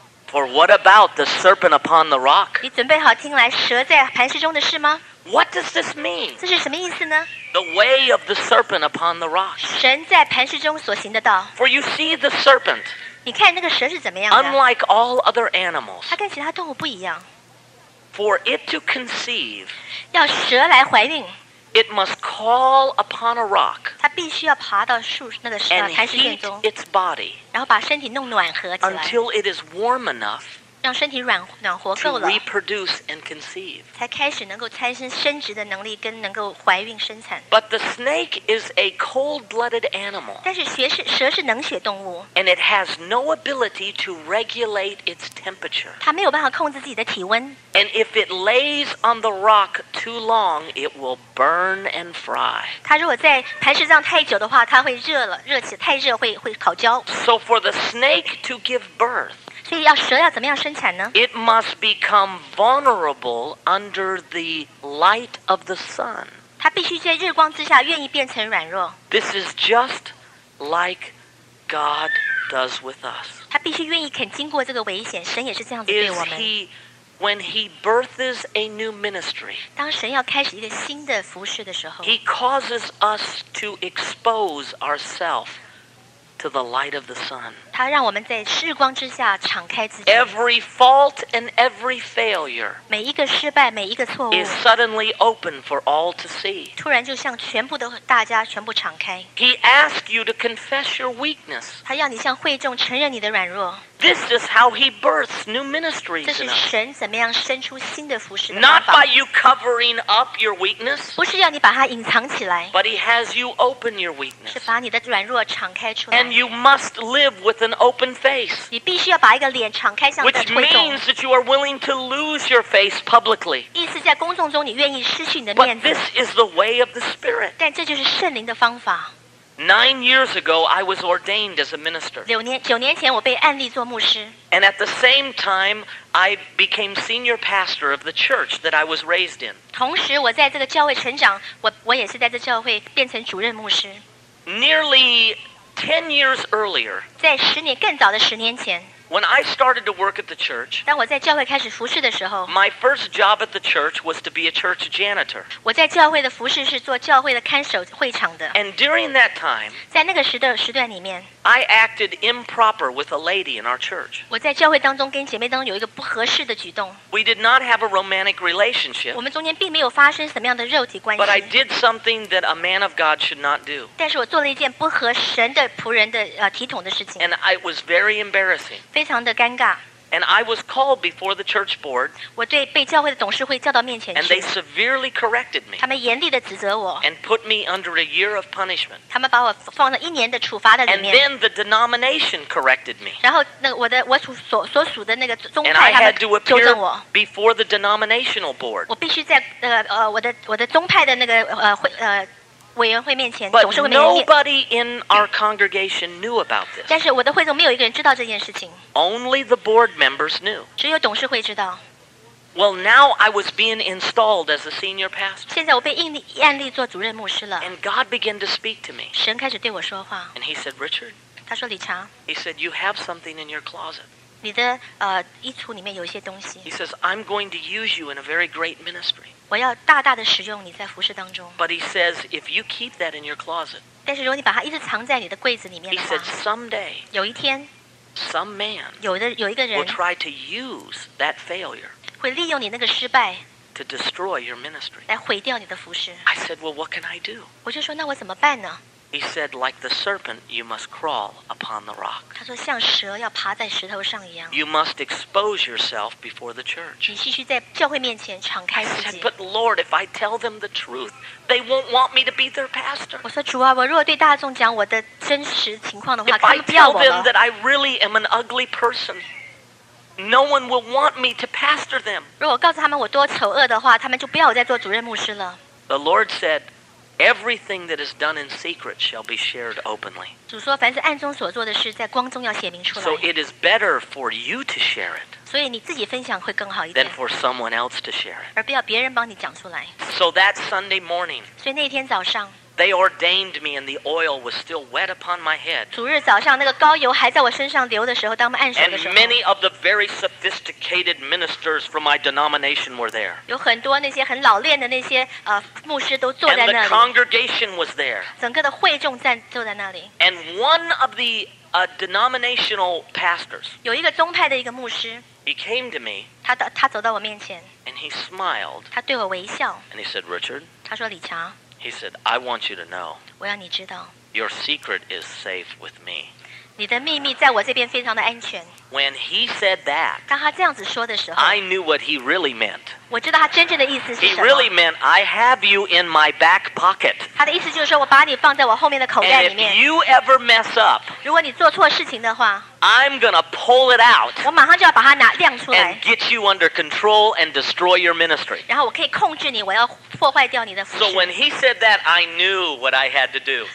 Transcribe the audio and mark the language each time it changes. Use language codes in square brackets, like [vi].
[en] For what about the serpent upon the rock? [zh] 你准备好听来蛇在磐石中的事吗？ [en] What does this mean? [zh] 这是什么意思呢？ [en] The way of the serpent upon the rock. [zh] 神在磐石中所行的道。 [en] For you see the serpent. [zh] 你看那个蛇是怎么样的？ [en] Unlike all other animals. [zh] 它跟其他动物不一样。 [en] For it to conceive. [zh] 要蛇来怀孕。 [en] It must call upon a rock. [zh] 它必须要爬到树那个石磐石中。 [en] And heat its body. [zh] 然后把身体弄暖和起来。 [en] Until it is warm enough. [zh] 让身体暖和够了。 [en] To reproduce and conceive. [zh] 才开始能够产生生殖的能力跟能够怀孕生产。 [en] But the snake is a cold-blooded animal. [zh] 但是蛇是冷血动物。 [en] And it has no ability to regulate its temperature. [zh] 它没有办法控制自己的体温。 [en] And if it lays on the rock too long, it will burn and fry. [zh] 它如果在磐石上太久的话，它会热了，热起太热会烤焦。 [en] So for the snake to give birth, [zh] 所以要蛇要怎么样生产呢？ [en] It must become vulnerable under the light of the sun. [zh] 它必须在日光之下愿意变成软弱。 [en] This is just like God does with us. [zh] 它必须愿意肯经过这个危险，神也是这样子对我们。 [en] When he births a new ministry, [zh] 当神要开始一个新的服事的时候， [en] he causes us to expose ourselves to the light of the sun. [zh] 他让我们在日光之下敞开自己。 [en] Every fault and every failure, [zh] 每一个失败，每一个错误， [en] is suddenly open for all to see. [zh] 突然就向全部的大家全部敞开。 [en] He asks you to confess your weakness. [zh] 他要你向会众承认你的软弱。 [en] This is how he births new ministries. [zh] 这是神怎么样生出新的服事的方法。 [en] Not by you covering up your weakness. [zh] 不是要你把它隐藏起来。 [en] But he has you open your weakness. [zh] 是把你的软弱敞开出来。 [en] And you must live with an open face. [zh] 你必须要把一个脸敞开向会众。 [en] Which means that you are willing to lose your face publicly. [zh] 意思在公众中你愿意失去你的面子。 [en] But this is the way of the Spirit. [zh] 但这就是圣灵的方法。 [en] 9 years ago, I was ordained as a minister. [zh] 九年前，我被按立做牧师。 [en] And at the same time, I became senior pastor of the church that I was raised in. [zh] 同时，我在这个教会成长，我也是在这教会变成主任牧师。 [en] Nearly 10 years earlier. [zh] 在十年更早的十年前。 [en] When I started to work at the church, [zh] 当我在教会开始服事的时候， [en] my first job at the church was to be a church janitor. [zh] 我在教会的服事是做教会的看守会场的。 [en] And during that time, [zh] 在那个时段里面， [en] I acted improper with a lady in our church. [zh] 我在教会当中跟姐妹当中有一个不合适的举动。 [en] We did not have a romantic relationship. [zh] 我们中间并没有发生什么样的肉体关系。 [en] But I did something that a man of God should not do. [zh] 但是我做了一件不合神的仆人的体统的事情。 [en] And it was very embarrassing. [zh] 非常的尴尬。 [en] And I was called before the church board. [zh] 我对被教会的董事会叫到面前去。 [en] And they severely corrected me. [zh] 他们严厉的指责我。 [en] And put me under a year of punishment. [zh] 他们把我放到一年的处罚的里面。 [en] And then the denomination corrected me. [zh] 然后那我所属的那个宗派他们纠正我。 [en] And I had to appear before the denominational board. [zh] 我必须在我的宗派的那个委员会面前， [en] but [zh] 董事会面前， [en] nobody in our congregation knew about this. [zh] 但是我的会众没有一个人知道这件事情。 [en] Only the board members knew. [zh] 只有董事会知道。 [en] Well, now I was being installed as a senior pastor. [zh] 现在我被按立做主任牧师了。 [en] And God began to speak to me. [zh] 神开始对我说话。 [en] And he said, Richard. [zh] 他说理查。 [en] He said, you have something in your closet. [zh] 你的衣橱里面有一些东西。 [en] He says, I'm going to use you in a very great ministry. [zh] 我要大大的使用你在服事当中。 [en] But he says, if you keep that in your closet, [zh] 但是如果你把它一直藏在你的柜子里面的话， [en] he said, someday, [zh] 有一天， [en] some man, [zh] 有一个人， [en] will try to use that failure, [zh] 会利用你那个失败， [en] to destroy your ministry, [zh] 来毁掉你的服事。 [en] I said, well, what can I do? [zh] 我就说，那我怎么办呢？ [en] He He said, like the serpent, you must crawl upon the rock. [zh] 他说像蛇要爬在石头上一样。 [en] You must expose yourself before the church. [zh] 你必须在教会面前敞开自己。 [en] I said, but Lord, if I tell them the truth, they won't want me to be their pastor. [zh] 我说主啊，我若对大众讲我的真实情况的话，他们不要我了。 [en] If I tell them that I really am an ugly person, no one will want me to pastor them. [zh] 如果告诉他们我多丑恶的话，他们就不要我再做主任牧师了。 [en] The Lord said,Everything that is done in secret shall be shared openly. [zh] 主说，凡是暗中所做的事，在光中要显明出来。 [en] So it is better for you to share it. [zh] 所以你自己分享会更好一点。 [en] Than for someone else to share it. [zh] 而不要别人帮你讲出来。 [en] So that Sunday morning. [zh] 所以那天早上。 [en] They ordained me, and the oil was still wet upon my head. [zh] 主日早上那个膏油还在我身上流的时候，当我们按手的时候。 [en] And many of the very sophisticated ministers from my denomination were there. [zh] 有很多那些很老练的那些牧师都坐在那里。 [en] And the congregation was there. [zh] 整个的会众站坐在那里。 [en] And one of the denominational pastors. [zh] 有一个宗派的一个牧师。 [en] He came to me. [zh] 他走到我面前。 [en] And he smiled. [zh] 他对我微笑。 [en] And he said, Richard. [zh] 他说李强。 [en] He said, I want you to know, [zh] 我要你知道, [en] your secret is safe with me. [zh] 你的秘密在我这边非常的安全。 [en] When he said that, [zh] 当他这样子说的时候, [en] I knew what he really meant. [zh] 我知道他真正的意思是什么。 [en] He really meant, I have you in my back pocket. [zh] 他的意思就是说我把你放在我后面的口袋里面。 [en] And if you ever mess up, [zh] 如果你做错事情的话, [en] I'm going to pull it out, [zh] 我马上就要把它拿亮出来, [en] and get you under control and destroy your ministry. [zh] 然后我可以控制你, 我要破坏掉你的服事。 [en] So when he said that, I knew what I had to do.